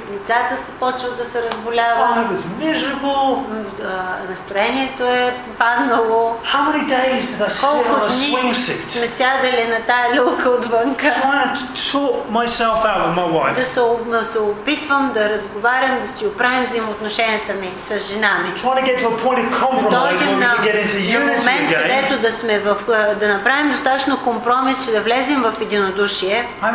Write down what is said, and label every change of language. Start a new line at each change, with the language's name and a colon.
Bulgarian: Децата се почват да се разболяват.
English: I was miserable.
Bulgarian: Настроението е паднало.
English: How many days did I sit on a swing seat?
Bulgarian: Сме сядали на тая люка отвънка.
English: Trying to talk myself out with my wife.
Bulgarian: Да се опитвам да разговарям, да си оправим взаимоотношенията ми с жена ми.
English: Trying to get to a point of compromise when we can get into unity again.
Bulgarian: На момент, където да сме в, да направим достатъчно компромис, че да влезем в единодушие.